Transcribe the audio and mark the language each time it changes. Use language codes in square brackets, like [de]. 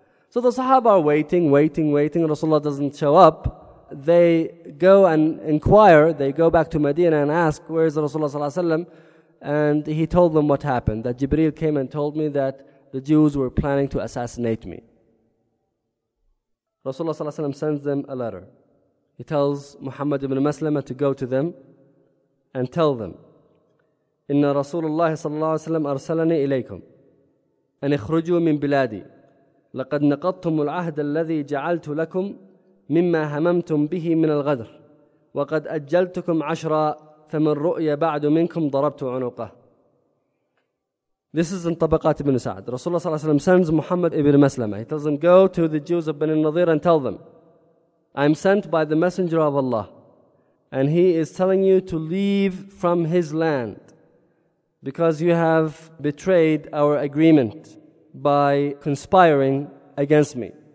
[en] So the Sahaba are waiting, waiting, waiting. Rasulullah doesn't show up. They go and inquire. They go back to Medina and ask, where is Rasulullah sallallahu alayhi wa sallam? And he told them what happened. That Jibreel came and told me that the Jews were planning to assassinate me. Rasulullah sallallahu alayhi wa sallam sends them a letter. He tells Muhammad ibn Maslama to go to them and tell them, [ar] إِنَّ رَسُولُ اللَّهِ صَلَّى اللَّهُ عَلَيْهِ وَسَلَّمَ أَرْسَلَنِي إِلَيْكُمْ أن اخرجوا من بلادي لقد نقضتم العهد الذي جعلت لكم مما هممتم به من الغدر وقد أجلتكم عشرا فمن رؤي بعد منكم ضربت عنقه. [en] This is in Tabaqat ibn Sa'd. Rasulullah sallallahu alayhi wa sallam sends Muhammad ibn Maslama. He tells him, go to the Jews of Bani Nadir and tell them, I'm sent by the Messenger of Allah, and he is telling you to leave from his land because you have betrayed our agreement by conspiring against me.